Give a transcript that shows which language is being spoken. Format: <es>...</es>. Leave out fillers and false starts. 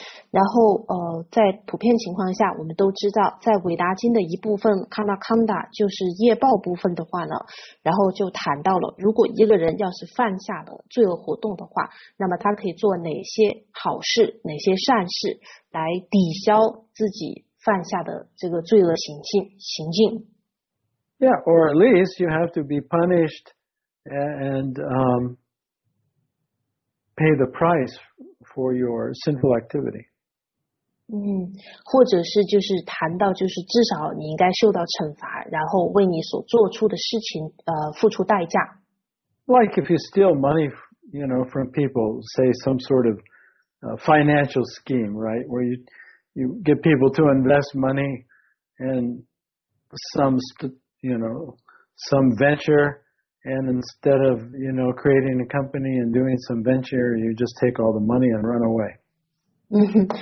<zh>然后在普遍情况下我们都知道，在韦达经的一部分 Kamakanda 就是业报部分的话呢，然后就谈到了如果一个人要是犯下了罪恶活动的话，那么他可以做哪些好事，哪些善事来抵消自己犯下的这个罪恶行径。</zh> <en>Yeah, or at least you have to be punished and pay the price for your sinful activity.</en> <zh>或者是就是谈到就是至少你应该受到惩罚，然后为你所做出的事情付出代价。</zh> <en>Like if you steal money, you know, from people, say some sort of financial scheme, right, where you get people to invest money in some, you know, some venture, and instead of, you know, creating a company and doing some venture, you just take all the money and run away.</en>